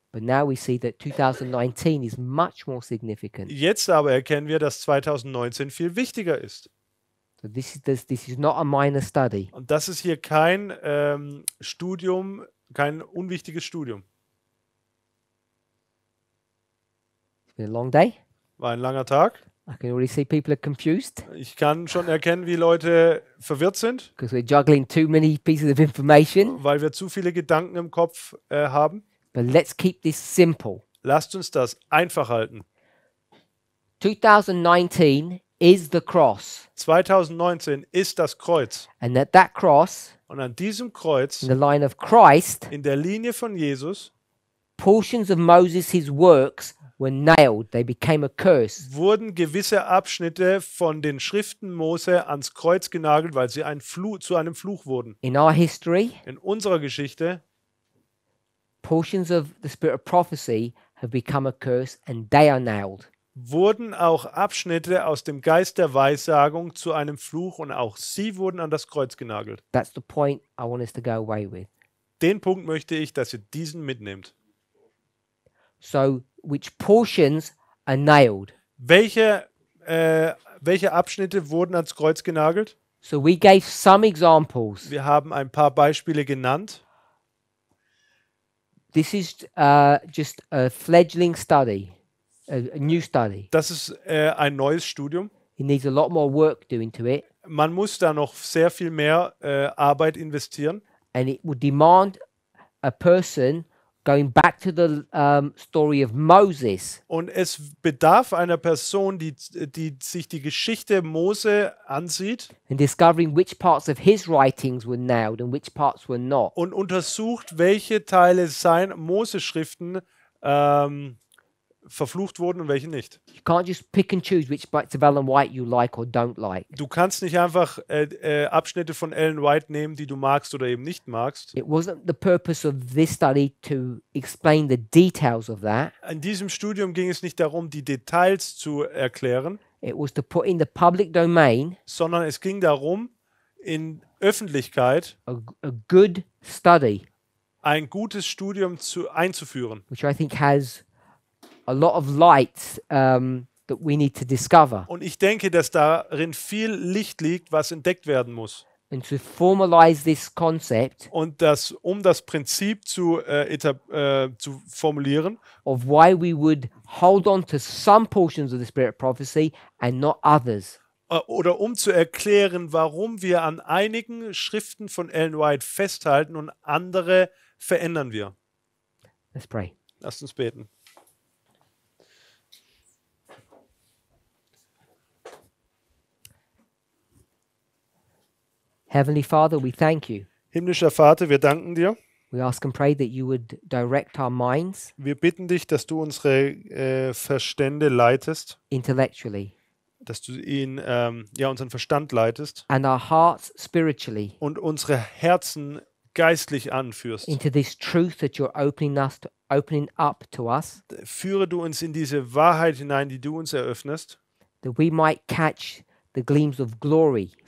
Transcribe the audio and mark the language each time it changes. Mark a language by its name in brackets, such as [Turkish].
[English] But now we see that 2019 is much more significant. [German] Jetzt aber erkennen wir, dass 2019 viel wichtiger ist. [English] So this is not a minor study. [German] Und das ist hier kein Studium, kein unwichtiges Studium. [English] It's been a long day. [German] War ein langer Tag. [English] I can already see people are confused. [German] Ich kann schon erkennen, wie Leute verwirrt sind. [English] Because we're juggling too many pieces of information. [German] Weil wir zu viele Gedanken im Kopf haben. [English] But let's keep this simple. [German] Lasst uns das einfach halten. [English] 2019 is the cross. [German] 2019 ist das Kreuz. [English] And at that cross, [German] und an diesem Kreuz, [English] in the line of Christ, [German] in der Linie von Jesus, [English] portions of Moses' his works were nailed. They became a curse. [German] Wurden gewisse Abschnitte von den Schriften Mose ans Kreuz genagelt, weil sie zu einem Fluch wurden. [English] In our history, [German] in unserer Geschichte, [English] portions of the spirit of prophecy have become a curse and they are nailed. [German] Wurden auch Abschnitte aus dem Geist der Weissagung zu einem Fluch und auch sie wurden an das Kreuz genagelt. [English] That's the point I want us to go away with. [German] Den Punkt möchte ich, dass ihr diesen mitnehmt. [English] So, which portions are nailed? [German] Welche Abschnitte wurden ans Kreuz genagelt? [English] So we gave some examples. [German] Wir haben ein paar Beispiele genannt. [English] This is just a fledgling study, a new study. [German] Das ist ein neues Studium. [English] It needs a lot more work doing to it. [German] Man muss da noch sehr viel mehr Arbeit investieren. [English] And it would demand a person going back to the story of Moses. [German] Und es bedarf einer Person, die sich die Geschichte Mose ansieht. [English] And discovering which parts of his writings were nailed and which parts were not. [German] Und untersucht, welche Teile sein Moses Schriften verflucht wurden und welche nicht. [English] You can't just pick and choose which parts of Ellen White you like or don't like. [German] Du kannst nicht einfach Abschnitte von Ellen White nehmen, die du magst oder eben nicht magst. [English] It wasn't the purpose of this study to explain the details of that. [German] In diesem Studium ging es nicht darum, die Details zu erklären. [English] It was to put in the public domain. [German] Sondern es ging darum, in Öffentlichkeit [English] a good study, [German] ein gutes Studium einzuführen. [English] Which I think has a lot of light that we need to discover. [German] Und ich denke, dass darin viel Licht liegt, was entdeckt werden muss. [English] And to formalize this concept. [German] Und das, um das Prinzip zu formulieren. [English] Of why we would hold on to some portions of the spirit of prophecy and not others. [German] Oder um zu erklären, warum wir an einigen Schriften von Ellen White festhalten und andere verändern wir. [English] Let's pray. [German] Lasst uns beten. [English] Heavenly Father, we thank you. [German] Himmlischer Vater, wir danken dir. [English] We ask and pray that you would direct our minds. [German] Wir bitten dich, dass du unsere Verstände leitest. [English] Intellectually. [German] Dass du ihn unseren Verstand leitest. [English] And our hearts spiritually. [German] Und unsere Herzen geistlich anführst. [English] Into this truth that you're opening up to us. [German] Führe du uns in diese Wahrheit hinein, die du uns eröffnest. [English] That we might catch the gleams of glory.